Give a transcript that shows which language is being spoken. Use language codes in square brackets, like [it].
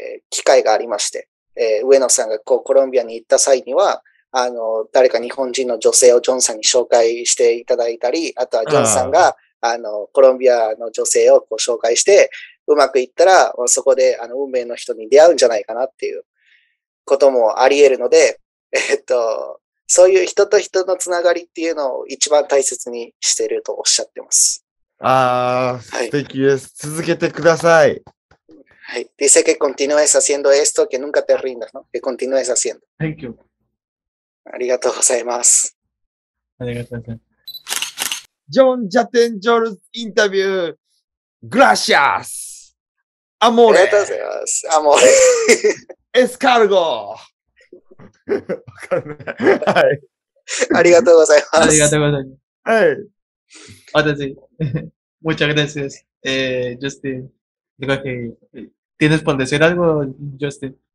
[ja] 機会がありまして、上野さんがこうコロンビアに行った際には、誰か日本人の女性をジョンさんに紹介していただいたり、あとはジョンさんが、コロンビアの女性をこう紹介して、うまくいったら、そこで、運命の人に出会うんじゃないかなっていうこともあり得るので、そういう人と人のつながりっていうのを一番大切にしているとおっしゃってます。ああ、素敵です、はい。続けてください。はい。 [es] Dice que continúes haciendo esto, que nunca te rindas, ¿no? Que continúes haciendo. [en] Thank you. [ja] ありがとうございます。ありがとうございます。ジョン・ジャテン・ジョルズインタビュー。 [es] グラシアス。アモーレ。 [ja] ありがとうございます。 [es] アモーレ。 [ja] エスカルゴ。はい、ありがとうございます。ありがとうございます。はい。 [es] 私、muchas gracias, Justin. Digo que, ¿tienes por decir algo, Justin?